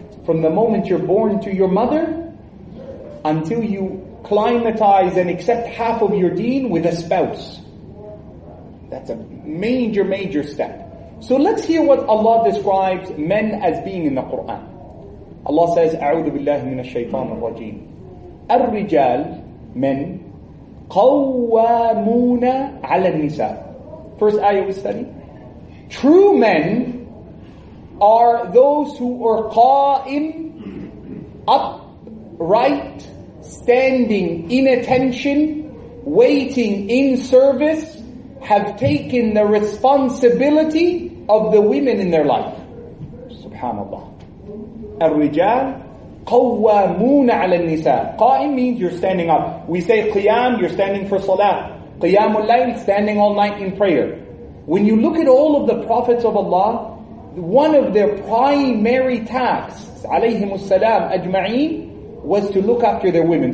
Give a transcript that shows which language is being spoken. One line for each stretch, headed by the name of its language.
English: From the moment you're born to your mother until you climatize and accept half of your deen with a spouse. That's a major, major step. So let's hear what Allah describes men as being in the Quran.
Arabic: Allah says, أعوذ بالله من الشيطان الرجيم. الرجال, men, قوامون على النساء.
English: First ayah we study. True men are those who are qa'im, upright, standing in attention, waiting in service, have taken the responsibility of the women in their life. Subhanallah.
Arabic: Al-Rijal, قوامون على النساء.
English: Qa'im means you're standing up. We say Qiyam, you're standing for Salah. Qiyam al-Layl, standing all night in prayer. When you look at all of the Prophets of Allah, one of their primary tasks, alayhim as-salam ajma'een, was to look after their women.